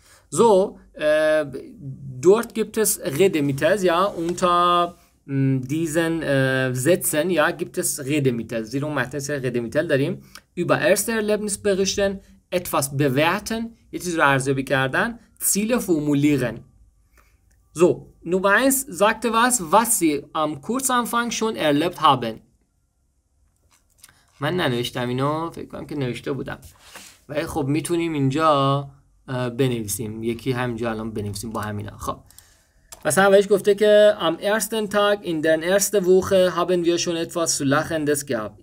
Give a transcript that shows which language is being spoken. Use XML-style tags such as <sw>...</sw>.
<de>So, dort gibt es Redemittel, ja, unter diesen Sätzen, ja, gibt es Redemittel. Sie haben Redemittel darin, über erste Erlebnis berichten, etwas bewerten, jetzt ist</de> <fa>Arzobi Kardan,</fa> <de>Ziele formulieren. So, Nummer 1 sagte was, was sie am Kursanfang schon erlebt haben.</de> <fa>من ننوشتم اینو، فکر کنم که نوشته بودم. ولی خب میتونیم اینجا بنویسیم، یکی همینجا الان بنویسیم با همینا. خب مثلا اولش گفته که</fa> <de>am ersten Tag in der erste Woche haben wir schon etwas zu lachendes gehabt.</de>